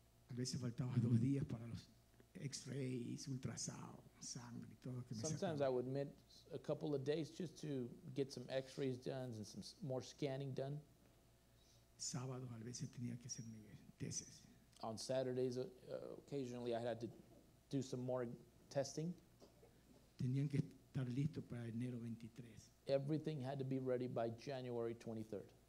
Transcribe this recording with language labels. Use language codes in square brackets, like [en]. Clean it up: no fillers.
[es] A veces faltaba dos días para los X-rays, ultrasound, sangre y todo que me [en] sometimes [es] sacaba. [en] I would miss a couple of days just to get some X-rays done and some more scanning done. [es] Sábado a veces tenía que hacer mis tesis. [en] On Saturdays, occasionally I had to do some more testing. [es] Tenían que estar listo para enero 23. [en] Everything had to be ready by January 23rd.